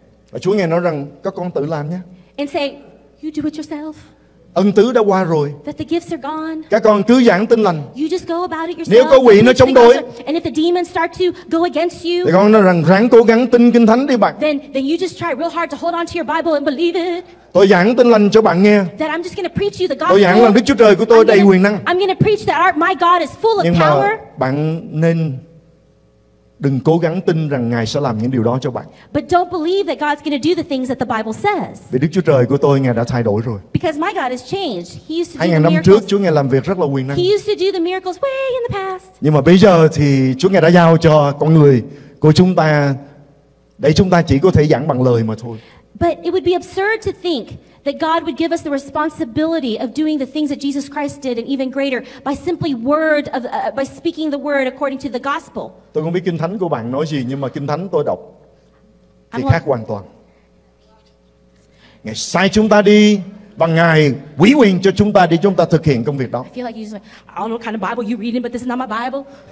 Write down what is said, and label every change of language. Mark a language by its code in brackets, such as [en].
[vi] Và Chúa ngài nói rằng các con tự làm nhé. [en] And say, you do it yourself. [vi] Ân tứ đã qua rồi. [en] That the gifts are gone. [vi] Các con cứ giảng tin lành. [en] You just go about it yourself. [vi] Nếu có quỷ nó chống đối. [en] And if the demons start to go against you. [vi] Thì con nói rằng ráng cố gắng tin Kinh Thánh đi bạn. [en] Then you just try real hard to hold on to your Bible and believe it. [vi] Tôi giảng tin lành cho bạn nghe. [en] That I'm just going to preach you the gospel. [vi] Tôi giảng rằng Đức Chúa Trời của tôi đầy quyền năng. [en] I'm going to preach that my God is full of power. [vi] Nhưng mà bạn nên đừng cố gắng tin rằng ngài sẽ làm những điều đó cho bạn. [en] But don't believe that God's going to do the things that the Bible says. [vi] Vì Đức Chúa Trời của tôi ngài đã thay đổi rồi. [en] Because my God has changed. He used to do miracles. [vi] 2000 năm trước Chúa ngài làm việc rất là quyền năng. [en] He used to do the miracles way in the past. [vi] Nhưng mà bây giờ thì Chúa ngài đã giao cho con người của chúng ta để chúng ta chỉ có thể giảng bằng lời mà thôi. [en] But it would be absurd to think that God would give us the responsibility of doing the things that Jesus Christ did and even greater by simply word of by speaking the word according to the gospel. [vi] Tôi không biết Kinh Thánh của bạn nói gì nhưng mà Kinh Thánh tôi đọc thì khác hoàn toàn. Ngài sai chúng ta đi và ngài ủy quyền cho chúng ta để chúng ta thực hiện công việc đó. [en] I feel like you're like, I don't know what kind of Bible you're reading but this is not my Bible.